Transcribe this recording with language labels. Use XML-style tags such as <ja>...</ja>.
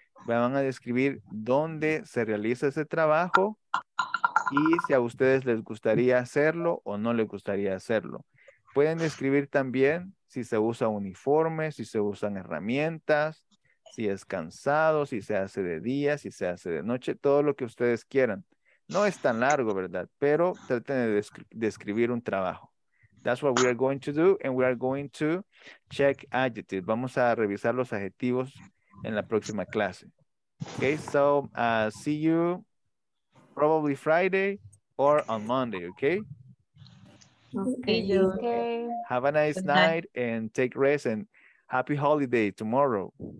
<es>Van a describir dónde se realiza ese trabajo y si a ustedes les gustaría hacerlo o no les gustaría hacerlo. Pueden describir también si se usa uniforme, si se usan herramientas, si es cansado, si se hace de día, si se hace de noche, todo lo que ustedes quieran. No es tan largo, ¿verdad? Pero traten de describir un trabajo.</es> <en>That's what we are going to do, and we are going to check adjectives.</en> <es>Vamos a revisar los adjetivos en la próxima clase.</es> <en>Okay, so see you probably Friday or on Monday, okay? Okay. Okay. Have a nice night and take rest, and happy holiday tomorrow.</en>